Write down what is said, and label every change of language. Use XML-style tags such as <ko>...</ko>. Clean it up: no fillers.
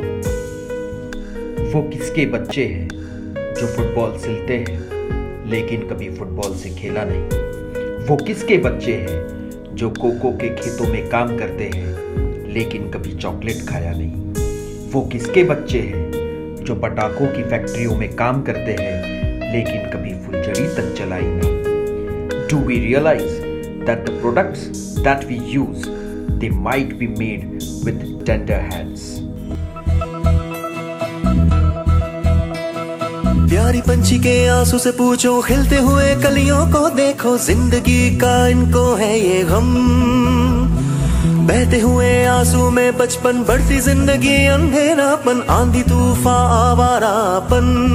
<hi>बच्चे हैं जो फुटबॉल सिलते हैं लेकिन कभी फुटबॉल से खेला नहीं। वो किसके बच्चे हैं जो कोको के खेतों में काम करते हैं लेकिन कभी चॉकलेट खाया नहीं। वो किसके बच्चे हैं जो पटाखों की फैक्ट्रियों में काम करते हैं लेकिन कभी फुलझड़ी तक चलाई नहीं।</hi> <en>Do we realize that the products that we use, they might be made with tender hands?</en> <hi>प्यारी पंछी के आंसू से पूछो, खिलते हुए कलियों को देखो, जिंदगी का इनको है ये गम। बहते हुए आंसू में बचपन, बढ़ती जिंदगी अंधेरापन, आंधी तूफान आवारापन।</hi>